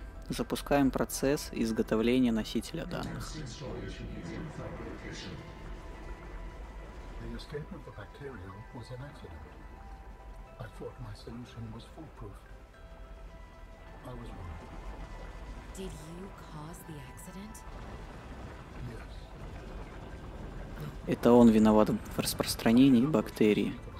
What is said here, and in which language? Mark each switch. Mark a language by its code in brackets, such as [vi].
[ru] Запускаем процесс изготовления носителя данных. [en] The escape of the bacteria was an accident. I thought my solution was foolproof. I was wrong. Did you cause the accident? Yes. [ru] Это он виноват в распространении бактерии.